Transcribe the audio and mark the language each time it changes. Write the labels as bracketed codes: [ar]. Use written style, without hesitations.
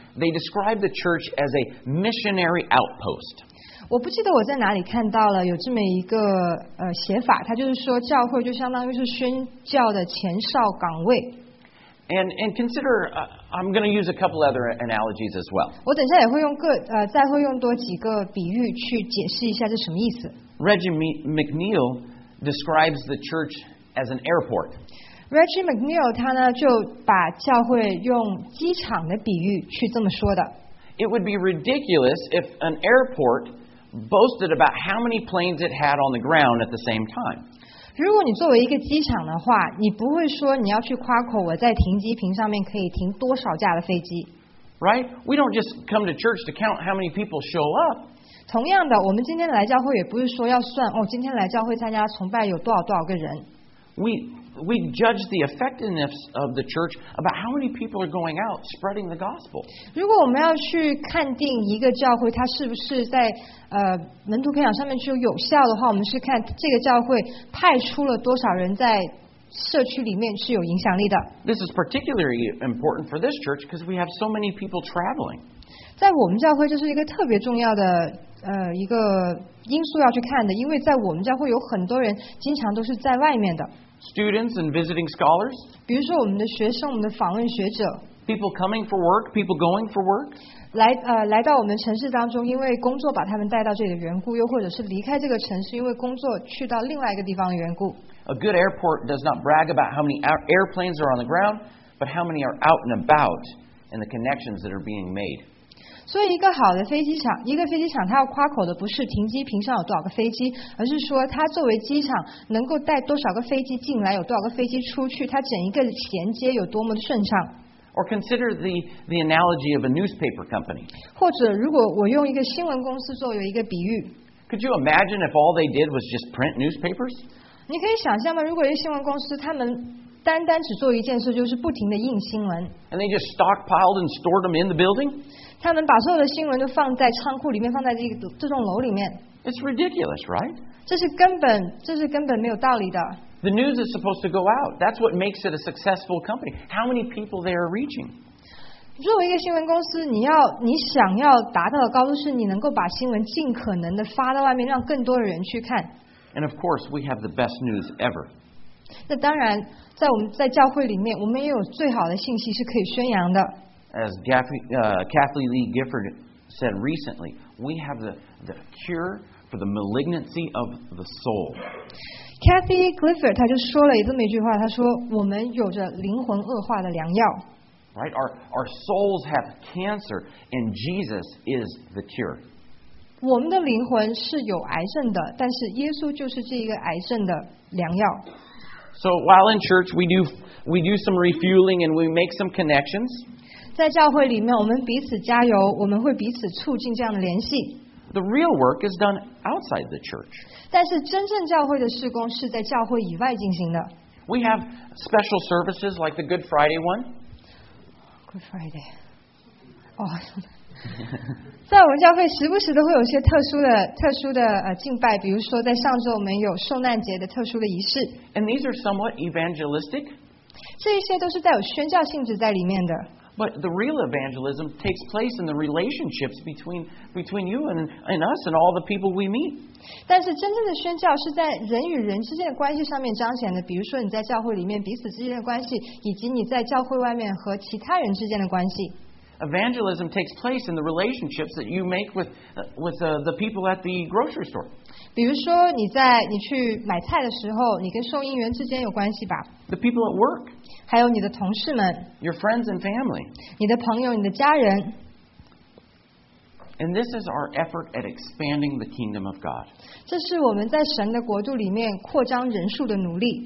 [en] They describe the church as a missionary outpost. [zh] 我不记得我在哪里看到了有这么一个写法，它就是说教会就相当于是宣教的前哨岗位。 [en] And consider, I'm going to use a couple other analogies as well. [zh] 我等下也会再会用多几个比喻去解释一下这什么意思。 [en] Reggie McNeil describes the church as an airport. [zh] Reggie McNeil 他呢就把教会用机场的比喻去这么说的。 [en] It would be ridiculous if an airport boasted about how many planes it had on the ground at the same time. [zh] 如果你作为一个机场的话，你不会说你要去夸口我在停机坪上面可以停多少架的飞机。 [en] Right? We don't just come to church to count how many people show up. [zh] 同样的，我们今天来教会也不是说要算哦，今天来教会参加崇拜有多少个人。 [en] We judge the effectiveness of the church about how many people are going out spreading the gospel. [zh] 如果我们要去看定一个教会它是不是在门徒培养上面具有效的话，我们是看这个教会派出了多少人在社区里面是有影响力的。 [en] This is particularly important for this church because we have so many people traveling. [zh] 在我们教会就是一个特别重要的一个因素要去看的，因为在我们教会有很多人经常都是在外面的。 [en] Students and visiting scholars. [zh] 比如说我们的学生，我们的访问学者。 [en] People coming for work, people going for work. [zh] 来到我们城市当中，因为工作把他们带到这里的缘故，又或者是离开这个城市，因为工作去到另外一个地方的缘故。 [en] A good airport does not brag about how many airplanes are on the ground, but how many are out and about, and the connections that are being made. [zh] 所以一个好的飞机场，一个飞机场它要夸口的不是停机坪上有多少个飞机，而是说它作为机场能够带多少个飞机进来，有多少个飞机出去，它整一个衔接有多么的顺畅。 [en] Or consider the analogy of a newspaper company. [zh] 或者如果我用一个新闻公司作为一个比喻。 [en] Could you imagine if all they did was just print newspapers? [zh] 你可以想象吗？如果一个新闻公司他们单单只做一件事，就是不停的印新闻。 [en] And they just stockpiled and stored them in the building? [zh] 他们把所有的新闻都放在仓库里面，放在这栋楼里面。 [en] It's ridiculous, right? [zh] 这是根本没有道理的。 [en] The news is supposed to go out. That's what makes it a successful company. How many people they are reaching? [zh] 作为一个新闻公司，你想要达到的高度是你能够把新闻尽可能的发到外面，让更多的人去看。 [en] And of course, we have the best news ever. [zh] 那当然，在我们在教会里面，我们也有最好的信息是可以宣扬的。 [en] As Kathleen Lee Gifford said recently, we have the cure for the malignancy of the soul. [zh] Kathy Clifford 她就说了这么一句话，她说我们有着灵魂恶化的良药。 [en] Right, our souls have cancer, and Jesus is the cure. [zh] 我们的灵魂是有癌症的，但是耶稣就是这一个癌症的良药。 [en] So while in church, we do some refueling and we make some connections. [zh] 在教会里面，我们彼此加油，我们会彼此促进这样的联系。 [en] The real work is done outside the church. [zh] 但是真正教会的事工是在教会以外进行的。 [en] We have special services like the Good Friday one. Friday. Oh. [zh] 在我们教会时不时都会有些特殊的敬拜，比如说在上周我们有受难节的特殊的仪式。 [en] And these are somewhat evangelistic. [zh] 这一些都是带有宣教性质在里面的。 [en] But the real evangelism takes place in the relationships between you and us and all the people we meet. [zh] 但是真正的宣教是在人与人之间的关系上面彰显的，比如说你在教会里面彼此之间的关系，以及你在教会外面和其他人之间的关系。 [en] Evangelism takes place in the relationships that you make with the people at the grocery store. [zh] 比如说你去买菜的时候，你跟收银员之间有关系吧。 [en] The people at work. [zh] 还有你的同事们。 [en] Your friends and family. [zh] 你的朋友，你的家人。 [en] And this is our effort at expanding the kingdom of God. [zh] 这是我们在神的国度里面扩张人数的努力。